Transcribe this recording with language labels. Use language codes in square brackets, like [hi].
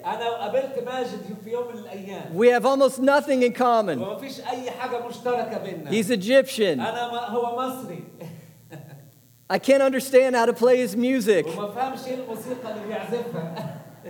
[ar] أنا قابلت ماجد في يوم من الأيام. [en] We have almost nothing in common. [ar] وما فيش أي حاجة مشتركة بيننا. [en] He's Egyptian. [ar] أنا ما هو مصري. [en] I can't understand how to play his music. [ar] وما فهمش الموسيقى اللي بيعزفها.